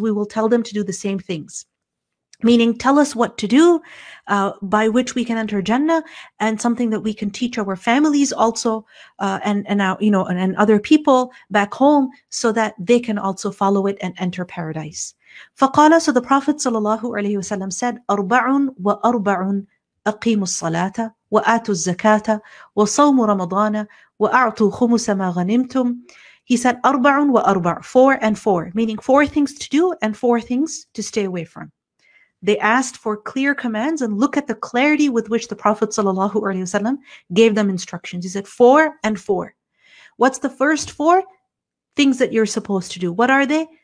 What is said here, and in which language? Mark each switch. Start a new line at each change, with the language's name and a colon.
English: We will tell them to do the same things. Meaning tell us what to do by which we can enter Jannah, and something that we can teach our families also and other people back home so that they can also follow it and enter paradise.
Arabic: فقال,
English: so the Prophet
Arabic: sallallahu alaihi wasallam said, أربعٌ وأربعٌ أقيموا الصلاة وآتوا الزكاة وصوموا رمضان وأعطوا خمس ما غنمتم.
English: He said,
Arabic: أربعٌ وأربعٌ,
English: four and four, meaning four things to do and four things to stay away from. They asked for clear commands, and look at the clarity with which the Prophet sallallahu alaihi wasallam gave them instructions. He said, four and four. What's the first four things that you're supposed to do? What are they?